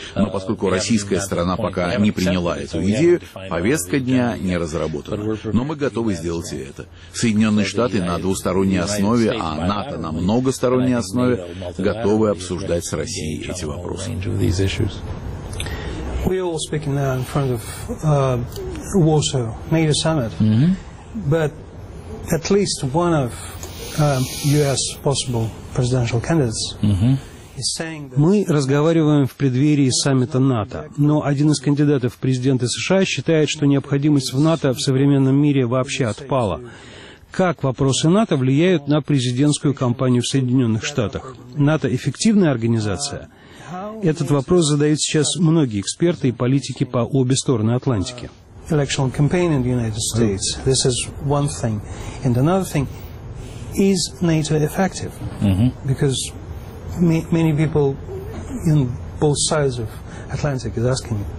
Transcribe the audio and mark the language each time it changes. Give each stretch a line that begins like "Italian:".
Russian: Но поскольку российская сторона пока не приняла эту идею, повестка дня не разработана. Но мы готовы сделать и это. Соединенные Штаты на двусторонней основе, а НАТО на многосторонней основе, готовы обсуждать с Россией эти вопросы.
English: We're all speaking now in front of Warsaw NATO summit, but at least one of U.S. possible presidential candidates.
Russian: Мы разговариваем в преддверии саммита НАТО, но один из кандидатов в президенты США считает, что необходимость в НАТО в современном мире вообще отпала. Как вопросы НАТО влияют на президентскую кампанию в Соединенных Штатах? НАТО эффективная организация? Этот вопрос задают сейчас многие эксперты и политики по обе стороны Атлантики.
English: Electoral campaign in the United States. This is one thing. And another thing, is NATO effective? Because many people in both sides of Atlantic is asking.